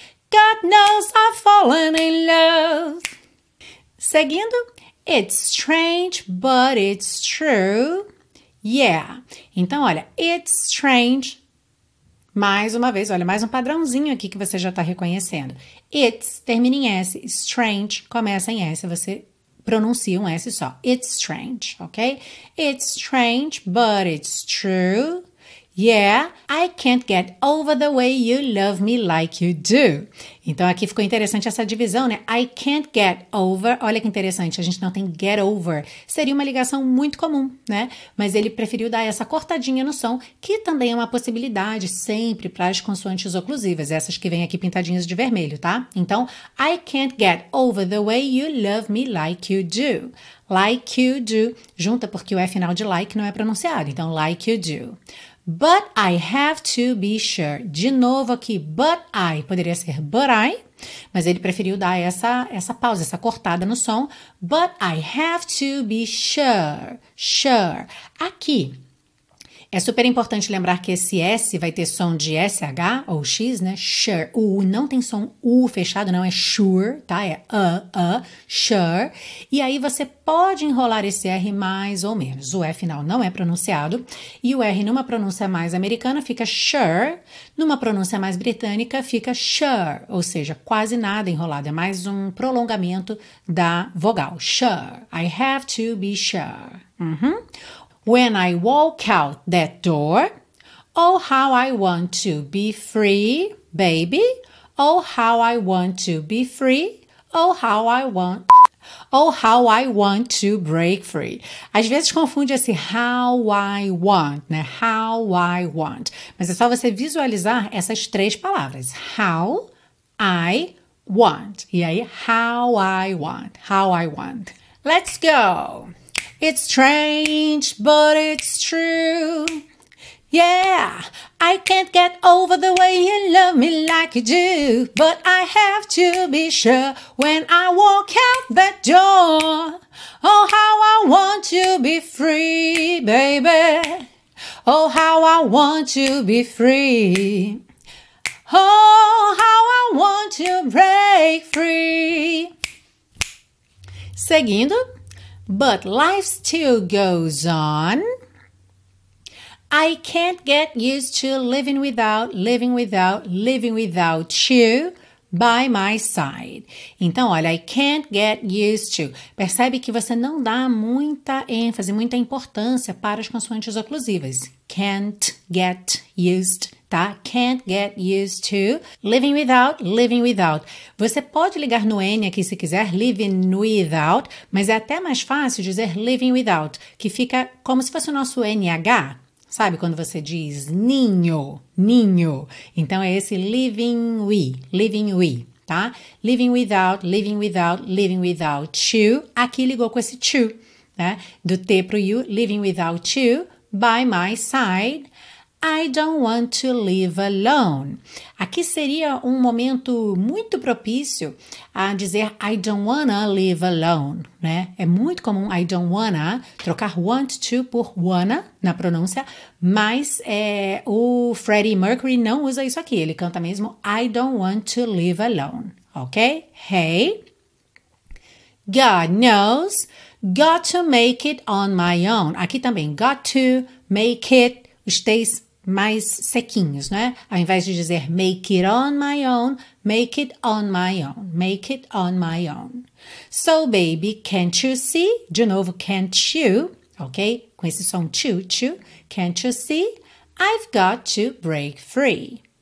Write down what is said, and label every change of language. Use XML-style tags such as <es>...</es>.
<en>God knows I've fallen in love.</en> <pt>Seguindo,</pt> <en>it's strange, but it's true. Yeah.</en> <pt>Então, olha,</pt> <en>it's strange.</en> <pt>Mais uma vez, olha, mais um padrãozinho aqui que você já está reconhecendo. It's termina em S, strange começa em S, você pronuncia um S só.</pt> <en>It's strange, ok? It's strange, but it's true. Yeah, I can't get over the way you love me like you do.</en> <pt>Então, aqui ficou interessante essa divisão, né?</pt> <en>I can't get over.</en> <pt>Olha que interessante, a gente não tem</pt> <en>get over.</en> <pt>Seria uma ligação muito comum, né? Mas ele preferiu dar essa cortadinha no som, que também é uma possibilidade sempre para as consoantes oclusivas, essas que vêm aqui pintadinhas de vermelho, tá? Então,</pt> <en>I can't get over the way you love me like you do. Like you do.</en> <pt>Junta porque o F final de like não é pronunciado. Então,</pt> <en>like you do. But I have to be sure.</en> <pt>De novo aqui,</pt> <en>but I.</en> <pt>Poderia ser</pt> <en>but I,</en> <pt>mas ele preferiu dar essa pausa, essa cortada no som.</pt> <en>But I have to be sure. Sure.</en> <pt>Aqui, é super importante lembrar que esse S vai ter som de SH ou X, né? Sure. U não tem som U fechado, não. É sure, tá? É sure. E aí você pode enrolar esse R mais ou menos. O E final não é pronunciado. E o R numa pronúncia mais americana fica sure. Numa pronúncia mais britânica fica sure. Ou seja, quase nada enrolado. É mais um prolongamento da vogal.</pt> <en>Sure. I have to be sure. Uhum. When I walk out that door, oh, how I want to be free, baby. Oh, how I want to be free. Oh, how I want... Oh, how I want to break free.</en> <pt>Às vezes confunde esse</pt> <en>how I want,</en> <pt>né? How I want. Mas é só você visualizar essas três palavras.</pt> <en>How I want.</en> <pt>E aí,</pt> <en>how I want. How I want. Let's go. It's strange, but it's true. Yeah, I can't get over the way you love me like you do. But I have to be sure when I walk out that door. Oh, how I want to be free, baby. Oh, how I want to be free. Oh, how I want to break free.</en> <pt>Seguindo.</pt> <en>But life still goes on. I can't get used to living without you by my side.</en> <pt>Então, olha,</pt> <en>I can't get used to.</en> <pt>Percebe que você não dá muita ênfase, muita importância para as consoantes oclusivas.</pt> <en>Can't get used, tá? Can't get used to living without.</en> <pt>Você pode ligar no N aqui se quiser,</pt> <en>living without,</en> <pt>mas é até mais fácil dizer living without, que fica como se fosse o nosso NH. Sabe quando você diz ninho, ninho? Então é esse living we, tá?</pt> <en>Living without you.</en> <pt>Aqui ligou com esse to, né? Do T pro</pt> <en>you, living without you, by my side. I don't want to live alone.</en> <pt>Aqui seria um momento muito propício a dizer</pt> <en>I don't wanna live alone,</en> <pt>né? É muito comum</pt> <en>I don't wanna</en> <pt>trocar want to por wanna na pronúncia, mas o Freddie Mercury não usa isso aqui. Ele canta mesmo</pt> <en>I don't want to live alone,</en> <pt>ok?</pt> <en>Hey, God knows, got to make it on my own.</en> <pt>Aqui também,</pt> <en>got to make it,</en> <pt>os T's mais sequinhos, né? Ao invés de dizer</pt> <en>make it on my own, make it on my own, make it on my own. So, baby, can't you see?</en> <pt>De novo,</pt> <en>can't you, ok?</en> <pt>Com esse som,</pt> <en>chu, can't you see? I've got to break free.</en>